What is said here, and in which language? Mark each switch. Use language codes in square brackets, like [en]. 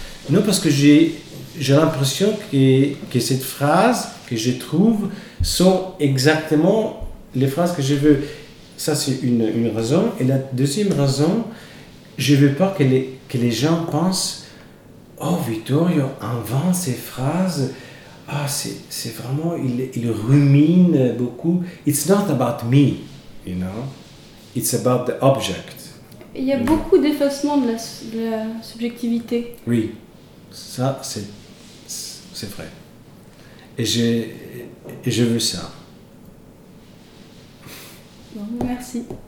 [fr] Non, parce que j'ai l'impression que cette phrase que je trouve sont exactement les phrases que je veux. Ça, c'est une raison. Et la deuxième raison, je ne veux pas que les gens pensent « Oh, Vittorio invente ces phrases. Ah, c'est vraiment... Il rumine beaucoup. [en] » It's not about me, you know. It's about the object. [fr] Il y a beaucoup d'effacement de la subjectivité. Oui. Ça, c'est vrai. Et je veux ça. Merci.